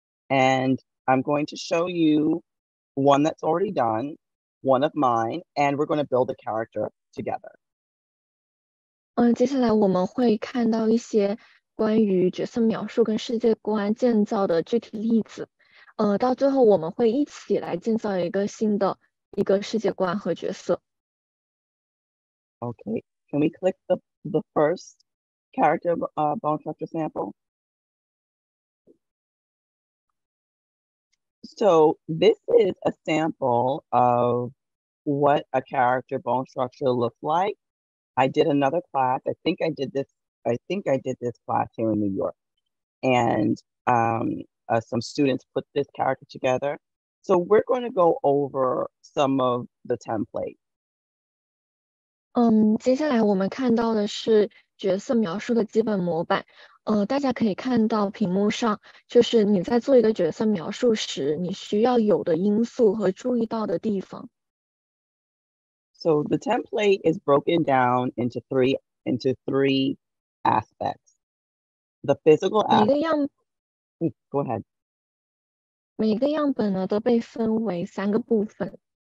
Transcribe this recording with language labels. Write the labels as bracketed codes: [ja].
[en] And I'm going to show you one that's already done, one of mine, and we're going to build a character together. [zh] 接下来我们会看到一些关于角色描述跟世界观建造的具体例子，到最后我们会一起来建造一个新的一个世界观和角色。 [en] Okay, can we click the first character bone structure sample? So this is a sample of what a character bone structure looks like. I did another class. I think I did this class here in New York. And some students put this character together. So we're going to go over some of the templates. [zh] 接下来我们看到的是角色描述的基本模板。大家可以看到屏幕上，就是你在做一个角色描述时，你需要有的因素和注意到的地方。 [en] So the template is broken down into three aspects. The physical aspect. Go ahead. [zh] 每个样本呢都被分为三个部分.